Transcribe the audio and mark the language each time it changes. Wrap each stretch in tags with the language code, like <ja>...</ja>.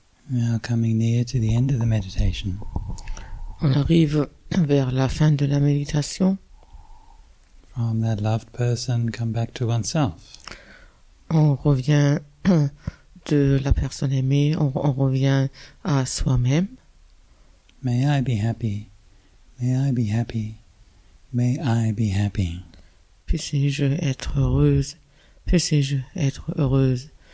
<en>Now coming near to the end of the meditation.</en> <fr>On arrive vers la fin de la méditation.</fr> <en>From that loved person, come back to oneself.</en> <fr>On revient de la personne aimée, on revient à soi-même.</fr> <en>May I be happy. May I be happy. May I be happy.</en> <fr>Puisse-je être heureuse. Puisse-je être heureuse.</fr>